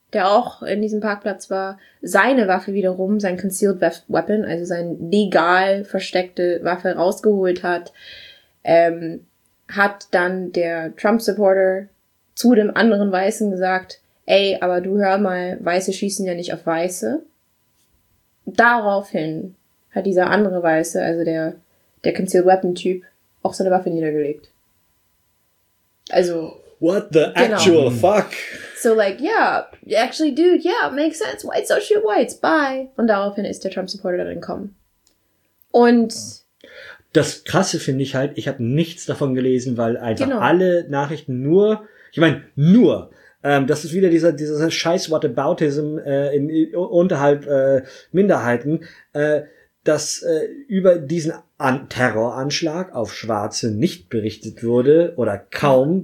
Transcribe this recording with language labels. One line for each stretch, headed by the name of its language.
German: der auch in diesem Parkplatz war, seine Waffe wiederum, sein Concealed Weapon, also seine legal versteckte Waffe rausgeholt hat, hat dann der Trump-Supporter zu dem anderen Weißen gesagt, ey, aber du hör mal, Weiße schießen ja nicht auf Weiße. Daraufhin hat dieser andere Weiße, also der Concealed Weapon-Typ, auch seine Waffe niedergelegt. Also,
English: what the actual
German: genau.
English: Fuck? So like, yeah, actually, dude, yeah, makes sense. Whites don't shoot whites. Bye.
German: Und daraufhin ist der Trump-Supporter dann entkommen. Und das Krasse finde ich halt, ich habe nichts davon gelesen, weil einfach genau. Alle Nachrichten nur, ich meine, nur, das ist wieder dieser scheiß Whataboutism unterhalb Minderheiten, dass über diesen Terroranschlag auf Schwarze nicht berichtet wurde oder kaum.